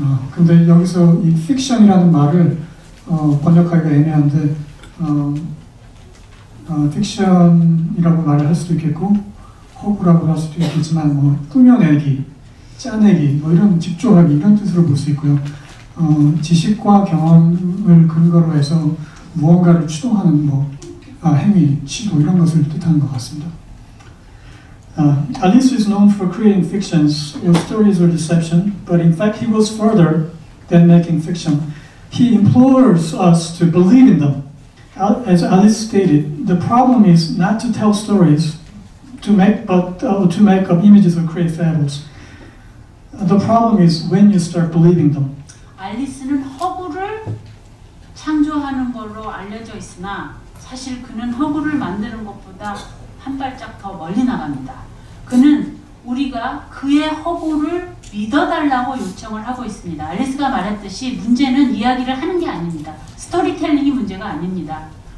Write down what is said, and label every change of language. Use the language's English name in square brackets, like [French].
[Korean] 근데 여기서 이 fiction이라는 말을 번역하기가 애매한데 fiction이라고 말을 할 수도 있겠고 허구라고 할 수도 있겠지만 뭐 꾸며내기, 짜내기, 뭐 이런 집조하기 이런 뜻으로 볼 수 있고요. 지식과 경험을 근거로 해서 무언가를 추동하는 뭐 행위, 시도 이런 것을 뜻하는 것 같습니다. [English] Alice is known for creating fictions or stories or deception, but in fact he goes further than making fiction. He implores us to believe in them. As Alice stated, the problem is not to tell stories, to make up images or create fables. The problem is when you start believing them. [Korean] 알리스는 허구를 창조하는 걸로 알려져 있으나 사실 그는 허구를 만드는 것보다 한 발짝 더 멀리 나갑니다. 그는 우리가 그의 허구를 믿어달라고 요청을 하고 있습니다. 알리스가 말했듯이 문제는 이야기를 하는 게 아닙니다. 스토리텔링이 문제가 아닙니다.